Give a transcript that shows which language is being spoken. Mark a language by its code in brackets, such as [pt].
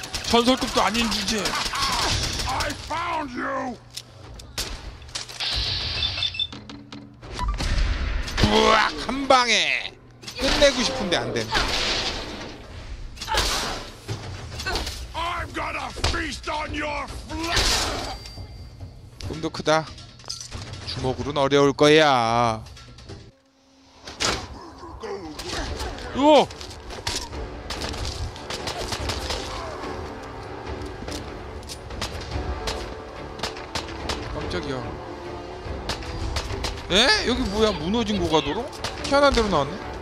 [en] I found you. Whack! [ko] 한 방에 끝내고 싶은데 안 돼. [en] I've got a feast on your flesh. [ko] 꿈도 크다. 주먹으로는 어려울 거야. 오! 깜짝이야. 에? 여기 뭐야? 무너진 고가도로? 희한한 대로 나왔네.